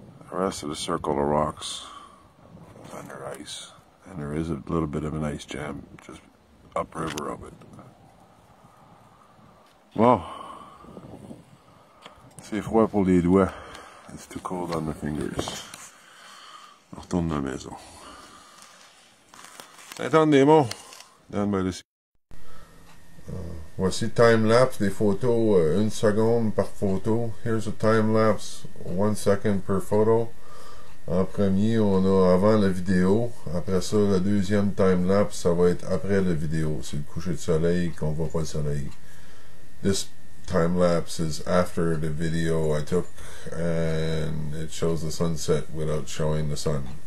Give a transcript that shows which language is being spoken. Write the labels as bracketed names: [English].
[English] The rest of the circle of rocks is under ice, and there is a little bit of an ice jam just upriver of it. [French] Well, c'est froid pour les doigts. [English] It's too cold on the fingers. [French] Retourne à la maison. [English] Saint-Anne-des-Monts, down by the sea. [French] Voici time lapse des photos, une seconde par photo. [English] Here's a time lapse, 1 second per photo. En premier, on a avant la vidéo. [French] Après ça, la deuxième time lapse, ça va être après la vidéo. C'est le coucher de soleil qu'on voit pas le soleil. [English] This time lapse is after the video I took, and it shows the sunset without showing the sun.